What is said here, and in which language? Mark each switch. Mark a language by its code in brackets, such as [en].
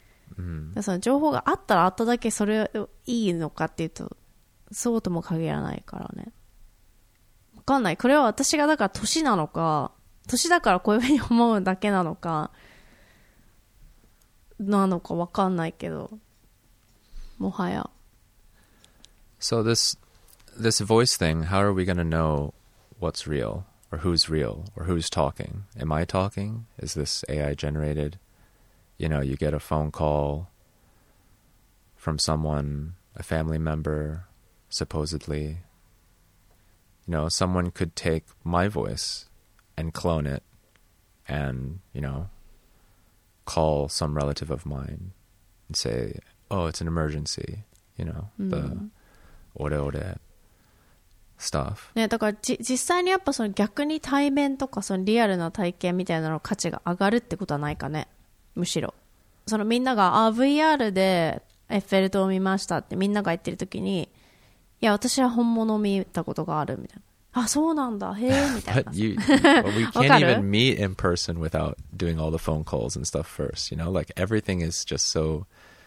[ja] だからその情報があったらあっただけそれいいのかっていうとそうとも限らないからね。わかんない。これは私がだから年なのか、年だからこういうふうに思うだけなのか、なのかわかんないけど、もはや。 [en] So this voice thing, how are we gonna know what's real? Or who's talking? Am I talking? Is this AI generated? You know, you get a phone call from someone, a family member, supposedly. You know, someone could take my voice and clone it and, you know, call some relative of mine and say, oh, it's an emergency, you know, the ore ore stuff. [ja] ね、だから実際にやっぱその逆に対面とかそのリアルな体験みたいなの価値が上がるってことはないかね。むしろそのみんなが、あ、VR でエッフェル塔を見ましたってみんなが言ってるときに、いや、私は本物を見たことがあるみたいな。あ、そうなんだ。へえみたいな。 [en] But we can't even meet in person without doing all the phone calls and stuff first. You know, like everything is just so digitally.